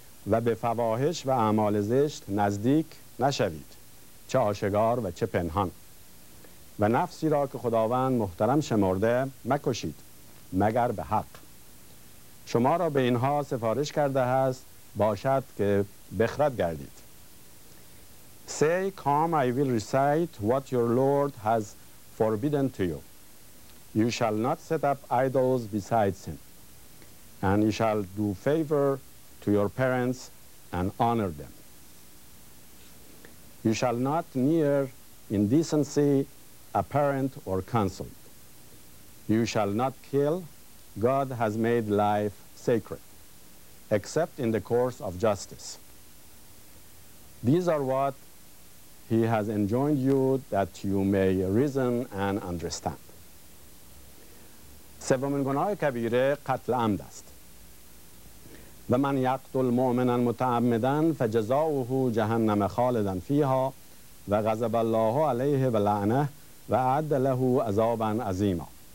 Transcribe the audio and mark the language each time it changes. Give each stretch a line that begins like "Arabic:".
Persian: و به فواحش و اعمال زشت نزدیک نشوید، چه آشکار و چه پنهان، و نفسی را که خداوند محترم شمرده مکشید مگر به حق، شما را به اینها سفارش کرده است باشد که بخرد گردید.
English: Say, come, I will recite what your Lord has forbidden to you. You shall not set up idols besides him, and you shall do favor to your parents and honor them. You shall not near indecency a parent or consort. You shall not kill. God has made life sacred, except in the course of justice. These are what he has enjoined you that you may reason and understand.
Persian: سومین گناه کبیره قتل عمد است.
Arabic: و من یقتل مؤمنا متعمدا فجزاؤه جهنم خالدا فیها و غضب الله علیه و لعنه و اعد له عذابا عظیما.